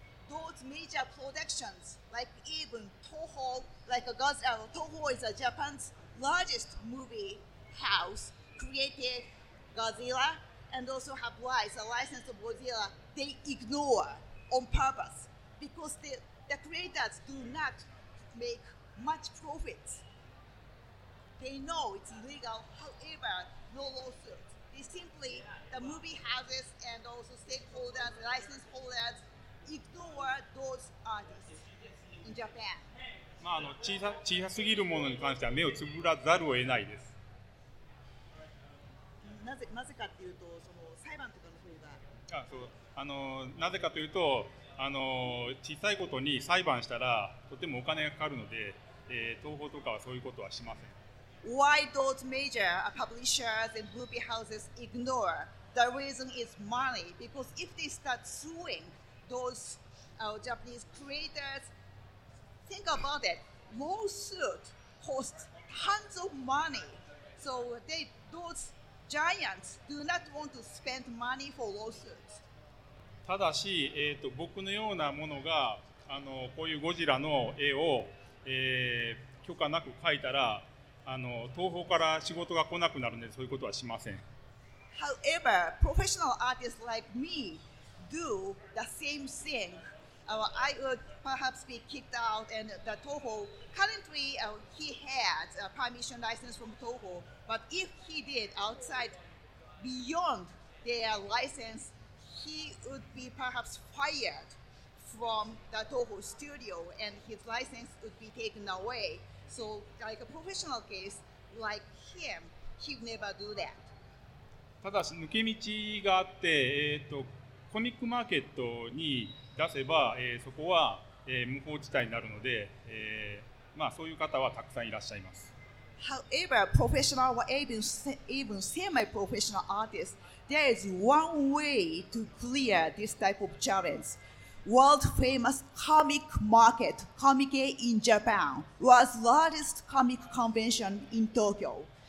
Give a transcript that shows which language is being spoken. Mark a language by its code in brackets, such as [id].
[en] those major productions, like even Toho, like Godzilla, Toho is Japan's largest movie house, created Godzilla, and also have rights, a license of Godzilla, they ignore on purpose, because the creators do not make much profit. They know it's illegal, however, no lawsuit. They simply, the movie houses and also stakeholders, license holders, ignore those artists in Japan. [ja] まあ小さすぎるものに関しては目をつぶらざるを得ないです。なぜかというと、その裁判とかの方が。なぜかというと、小さいことに裁判したらとてもお金がかかるので、東宝とかはそういうことはしません。 [en] Why those major publishers and movie houses ignore? The reason is money. Because if they start suing those Japanese creators, think about it. Lawsuit costs tons of money. So those giants do not want to spend money for lawsuits. [ja] ただし、僕のようなものがこういうゴジラの絵を、許可なく描いたら東方から仕事が来なくなるのでそういうことはしません。 [en] However, professional artists like me do the same thing. I would perhaps be kicked out and the Toho currently he had a permission license from Toho, but if he did outside beyond their license, he would be perhaps fired from the Toho studio and his license would be taken away. So, like a professional case like him, he'd never do that. [ja] ただし抜け道があって、コミックマーケットに出せば、そこは、無法地帯になるので、まあそういう方はたくさんいらっしゃいます。 [en] However, professional or even semi-professional artists, there is one way to clear this type of challenge. World famous comic market, Comic-A in Japan, was largest comic convention in Tokyo.